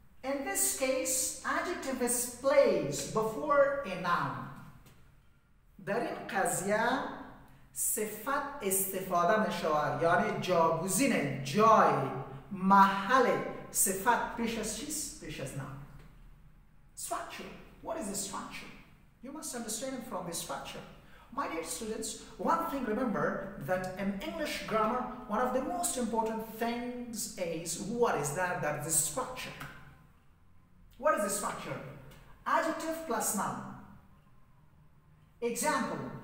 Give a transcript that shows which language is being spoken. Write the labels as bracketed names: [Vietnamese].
[English] In this case, adjective is placed before a noun. [Persian] در این قضیه صفت استفاده می شود، یعنی جاگزین جای محل صفت پیش از چیست؟ پیش از نام. [English] Structure. What is the structure? You must understand it from the structure. My dear students, one thing remember that in English grammar, one of the most important things is what is that? That is the structure. What is the structure? Adjective plus noun. Example.